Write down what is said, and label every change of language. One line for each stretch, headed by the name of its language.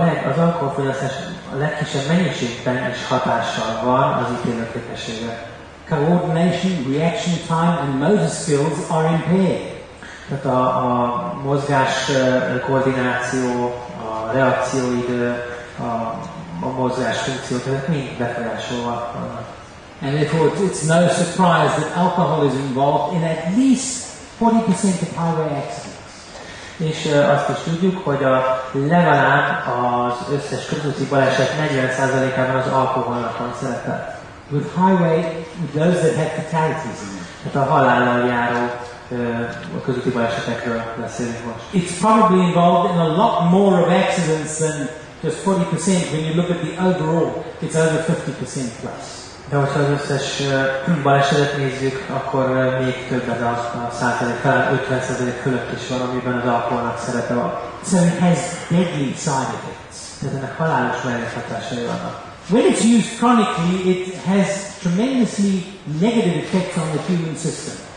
Hungarian: az alkoholfogyasztás a legkisebb mennyiségben is hatással van az ítélet képességre.
English: Coordination, reaction time and motor skills are impaired.
Hungarian: Tehát a mozgás koordináció, a reakcióidő, a mozgás funkció, tehát mind befolyásolva.
English: And therefore it's no surprise that alcohol is involved in at least 40% of highway accidents.
Hungarian: És azt is tudjuk, hogy a legalább az összes közúti baleset 40%-ában az alkoholnak van szerepe.
English: With highway, those that have fatalities in them.
Hungarian: Tehát a halállal járó a közúti balesetekről beszélünk most.
English: It's probably involved in a lot more of accidents than just 40%. When you look at the overall, it's over 50% plus.
Hungarian: De hogyha az összes balesetet nézzük, akkor még több az a százalék, talán 50% fölött is van, amiben az alkoholnak szerepe van.
English: So it has deadly side effects.
Hungarian: Tehát ennek halálos mellékhatásai vannak.
English: When it's used chronically, it has tremendously negative effects on the human system.